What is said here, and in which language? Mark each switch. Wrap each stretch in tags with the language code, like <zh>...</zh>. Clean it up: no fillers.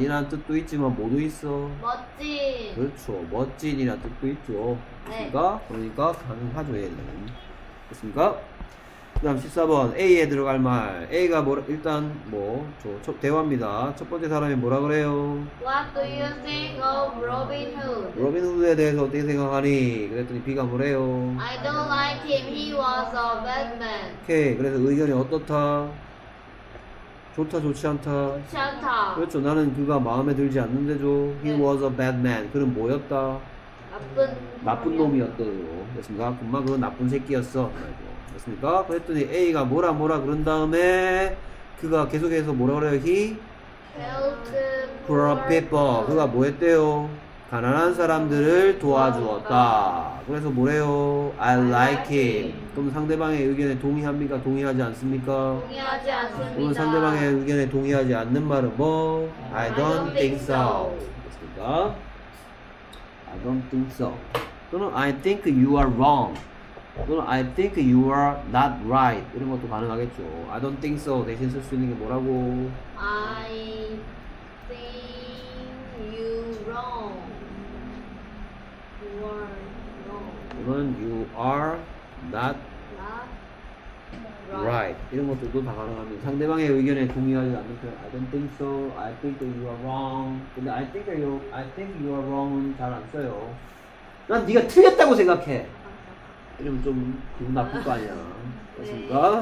<ko>이란 뜻도 있지만 뭐도 있어? 멋진. 그렇죠. 멋진 이란 뜻도 있죠. 맞습니까? 네. 그러니까 가능하죠. 얘는. 맞습니까? 그 다음 14번 A에 들어갈 말 A가 뭐 일단 뭐 저 대화입니다. 첫 번째 사람이 뭐라 그래요?</ko> <en>What do you think of Robin Hood?</en> <ko>로빈 후드에 대해서 어떻게 생각하니? 그랬더니 B가 뭐래요?</ko> <en>I don't like him. He was a bad man.</en> <ko>오케이. 그래서 의견이 어떻다? 좋다 좋지 않다? 좋지 않다. 그렇죠. 나는 그가 마음에 들지 않는데죠.</ko> <en>He</en> <ko>네.</ko> <en>was a bad man.</en> <ko>그는 뭐였다? 나쁜 놈이었다고. 됐습니까? 엄마 그건 나쁜 새끼였어. 맞습니까? 그랬더니 A가 뭐라 뭐라 그런 다음에 그가 계속해서 뭐라 그래요?</ko> <en>He helped poor people.</en> <ko>그가 뭐 했대요? 가난한 사람들을 도와주었다. 그래서 뭐래요?</ko> <en>I like him.</en> <ko>그럼 상대방의 의견에 동의합니까? 동의하지 않습니까? 동의하지 않습니다. 그럼 상대방의 의견에 동의하지 않는 말은 뭐?</ko> <en>I don't think so.</en> <ko>그렇습니까?</ko> <en>I don't think so. 또는 I think you are wrong. 또는 I think you are not right</en> <ko>이런 것도 가능하겠죠.</ko> <en>I don't think so</en> <ko>대신 쓸 수 있는 게 뭐라고?</ko> <en>I think you wrong. You are wrong. 또는 you are not right.</en> <ko>이런 것들도 다 가능합니다. 상대방의 의견에 동의하지 않는 표현</ko> <en>I don't think so. I think you are wrong.</en> <ko>근데</ko> <en>I think you are wrong은 잘 안 써요.</en> <ko>난 네가 틀렸다고 생각해. 이러면 좀 기분 나쁠 거 아니야. 맞습니까?</ko>